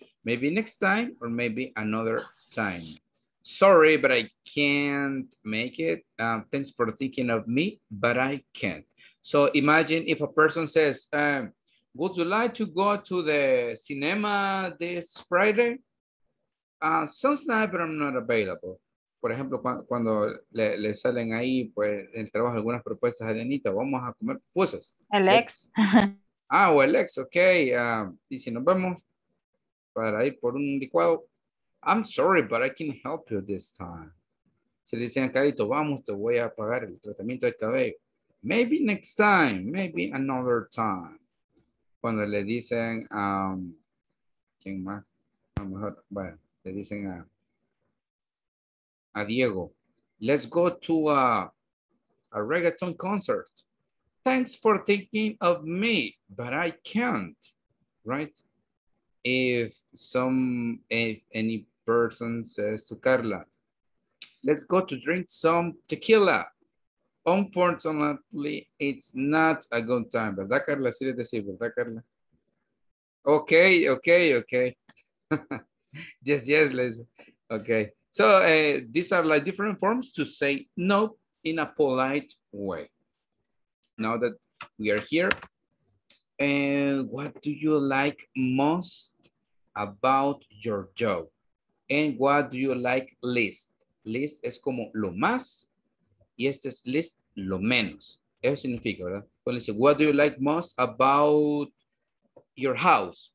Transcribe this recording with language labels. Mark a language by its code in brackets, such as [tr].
[en] Maybe next time or maybe another time. Sorry, but I can't make it. Thanks for thinking of me, but I can't. So imagine if a person says, would you like to go to the cinema this Friday? Sounds nice, but I'm not available. [es] Por ejemplo, cuando le salen ahí, pues, en el trabajo, algunas propuestas a Lenita, vamos a comer pupusas. Alex. Ah, o Alex, okay. Y si nos vemos para ir por un licuado. [en] I'm sorry, but I can't help you this time. [es] Se le dicen a Carito, vamos, te voy a pagar el tratamiento de cabello. [en] Maybe next time, maybe another time. [es] Cuando le dicen, ¿quién más? A lo mejor, bueno, le dicen a Diego, [en] let's go to a reggaeton concert. Thanks for thinking of me, but I can't, right? If any person says to Carla, let's go to drink some tequila. Unfortunately, it's not a good time. [es] ¿Verdad, Carla? Sí, le decía, ¿verdad, Carla? [en] Okay, okay, okay. Yes, yes, Liz. Okay. So these are like different forms to say no in a polite way. Now that we are here, what do you like most about your job? And what do you like least? [es] Least es como lo más y este es least lo menos. Eso significa, ¿verdad? Cuando dice, [en] what do you like most about your house?